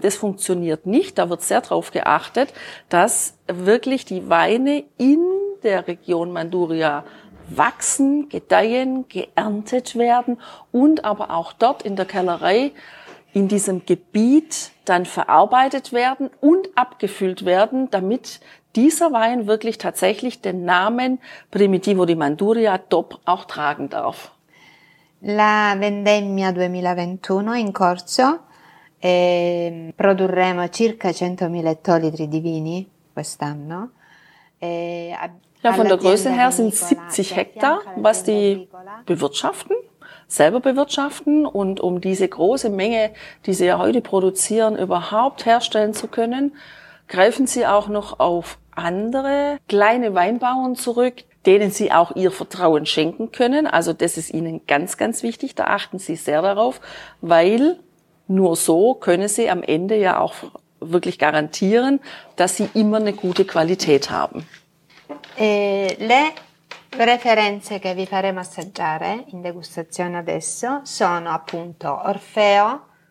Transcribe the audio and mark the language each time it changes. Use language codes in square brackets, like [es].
[de] Das funktioniert nicht. Da wird sehr darauf geachtet, dass wirklich die Weine in der Region Manduria wachsen, gedeihen, geerntet werden und aber auch dort in der Kellerei in diesem Gebiet dann verarbeitet werden und abgefüllt werden, damit dieser Wein wirklich tatsächlich den Namen Primitivo di Manduria DOP auch tragen darf. [it] La vendemmia 2021 in corso, produrremo circa 100.000 ettolitri di vini quest'anno. [de] Ja, von der Größe her sind 70 Hektar, was die bewirtschaften, selber bewirtschaften, und um diese große Menge, die sie ja heute produzieren, überhaupt herstellen zu können, greifen sie auch noch auf andere kleine Weinbauern zurück, denen sie auch ihr Vertrauen schenken können. Also das ist ihnen ganz, ganz wichtig. Da achten sie sehr darauf, weil nur so können sie am Ende ja auch wirklich garantieren, dass sie immer eine gute Qualität haben. [it] Le Referenze che vi faremo assaggiare in degustazione adesso sono appunto Orfeo.